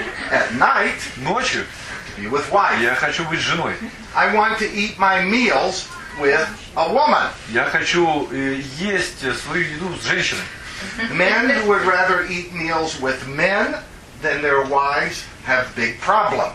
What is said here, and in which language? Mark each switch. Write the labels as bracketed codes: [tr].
[en] At night. [ru] Ночью. [en] To be with wife. [ru] Я хочу быть с женой. [en] I want to eat my meals with a woman. [ru] Я хочу есть свою еду с женщиной. [en] Men who would rather eat meals with men than their wives have big problem.